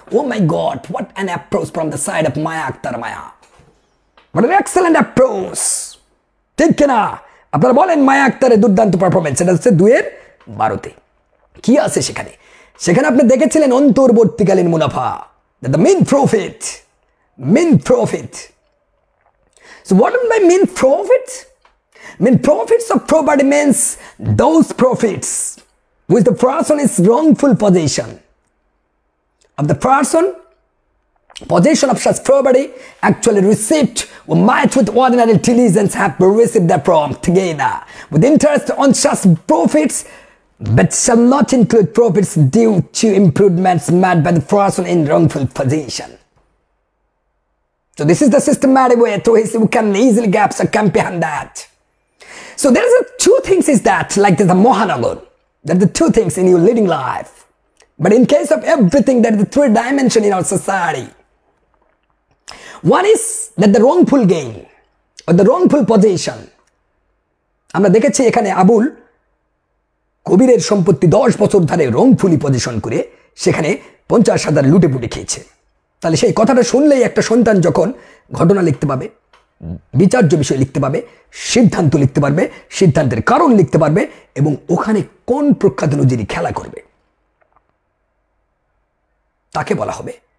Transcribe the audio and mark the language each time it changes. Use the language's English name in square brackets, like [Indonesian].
[English] oh my God, what an approach from the side of Maya Akhtar, Maya, what an excellent approach, [Bangla] ঠিক কিনা? আপনারা বলেন মায়া আক্তারের দুর্দান্ত পারফরমেন্স, এটা হচ্ছে 2-12 কি আছে সেখানে, সেখানে আপনি দেখেছিলেন অন্তর্বর্তীকালীন মুনাফা, [English] The main profit, main profit. So what do I mean profit? Mean profits of property means those profits which the person is wrongful possession of the person, possession of such property actually received or matched with ordinary diligence have received that from together with interest on such profits, but shall not include profits due to improvements made by the person in wrongful possession. So this is the systematic way through which we can easily gaps or comprehend that. So there's a two things is that, like there's a Mohanagar, there's the two things in your living life. But in case of everything, there's the three dimension in our society. One is that the wrongful gain or the wrongful position. [Bangla] আমরা দেখেছি এখানে আবুল কবিরের সম্পত্তি 10 বছর ধরে রংফুলি position করে সেখানে 50,000 লুটে পুটে খেয়েছে। তাহলে সেই কথাটা শুনলেই একটা সন্তান যখন ঘটনা লিখতে পাবে, বিচার্য বিষয় লিখতে পাবে, সিদ্ধান্ত লিখতে পারবে, সিদ্ধান্তের কারণ লিখতে পারবে, এবং ওখানে কোন প্রখ্যাত নজিরে খেলা করবে তাকে বলা হবে।